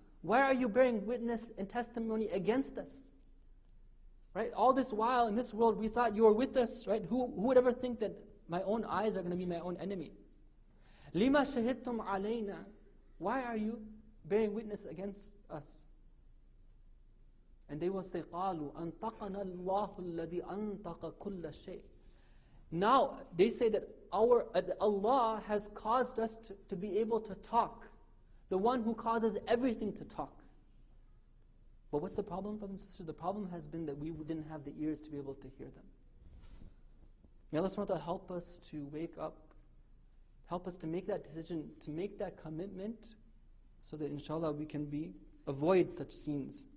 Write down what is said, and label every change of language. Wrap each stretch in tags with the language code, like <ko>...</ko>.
<en>Why are you bearing witness and testimony against us? Right, all this while in this world, we thought you were with us. Right, who would ever think that my own eyes are going to be my own enemy?</en> <ar>لِمَا شَهِدْتُمْ عَلَيْنَا.</ar> <en>Why are you bearing witness against us? And they will say,</en> <ar>قَالُوا أَنْتَقَنَا اللَّهُ الَّذِي أَنْتَقَ كُلَّ شَيْءٍ.</ar> <en>Now, they say that Allah has caused us to be able to talk. The one who causes everything to talk. But what's the problem, brothers and sisters? The problem has been that we didn't have the ears to be able to hear them. May Allah subhanahu wa ta'ala help us to wake up, help us to make that decision, to make that commitment, so that inshallah we can avoid such scenes.</en>